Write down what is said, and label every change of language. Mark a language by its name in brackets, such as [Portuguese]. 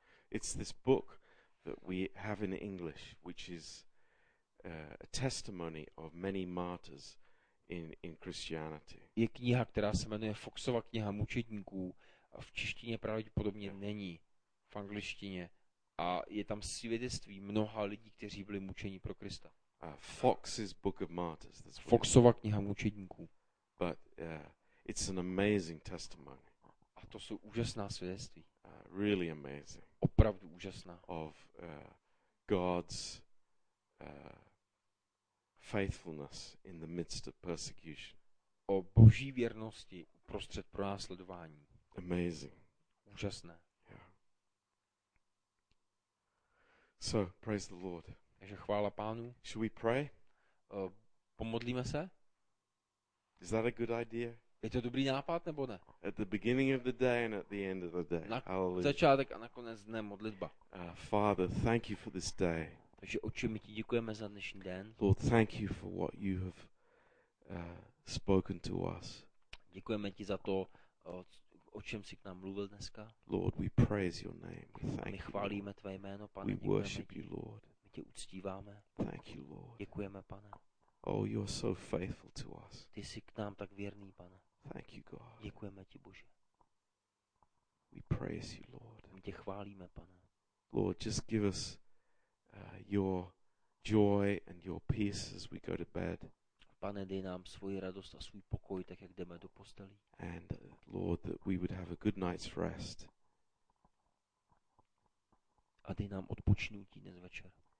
[English] It's this book that we have in English, which is a testimony of many martyrs in Christianity. [Czech] Je kniha, která se jmenuje Foxova kniha mučedníků, v češtině pravděpodobně není, v angličtině, a je tam svědectví mnoha lidí, kteří byli mučeni pro Krista. [English] Fox's Book of Martyrs. [Czech] Foxova kniha mučedníků. [English] But it's an amazing testimony. [Czech] A to jsou úžasná svědectví. [English] Really amazing. [Czech] Opravdu úžasná. [English] Of God's faithfulness in the midst of persecution. [Czech] O Boží věrnosti uprostřed pronásledování. [English] Amazing. [Czech] Úžasné. [English] Yeah. So, praise the Lord. [Czech] Takže chvála Pánu. [English] Should we pray? [Czech] Pomodlíme se? [English] Is that a good idea? [Czech] Je to dobrý nápad nebo ne? [English] At the beginning of the day and at the end of the day. [Czech] Na začátek a nakonec dne modlitba. [English] Father, thank you for this day. [Czech] Takže Otče, my ti děkujeme za dnešní den. [English] Lord, thank you for what you have spoken to us. [Czech] Děkujeme ti za to, o čem jsi k nám mluvil dneska. [English] Lord, we praise your name. We thank [Czech] my chválíme tvé jméno, Pane. [English] We worship you, Lord. [Czech] My tě uctíváme. [English] Thank you, Lord. [Czech] Děkujeme, Pane. [English] Oh, you are so faithful to us. [Czech] Ty jsi k nám tak věrný, Pane. [English] Thank you, God. [Czech] Děkujeme ti, Bože. [English] We praise you, Lord. [Czech] My tě chválíme, Pane. [English] Lord, just give us your joy and your peace as we go to bed. [Czech] Pane, dej nám svoji radost a svůj pokoj, tak jak jdeme do postelí. [English] And Lord, that we would have a good night's rest. [Czech] A dej nám odpočinutí dnes večer.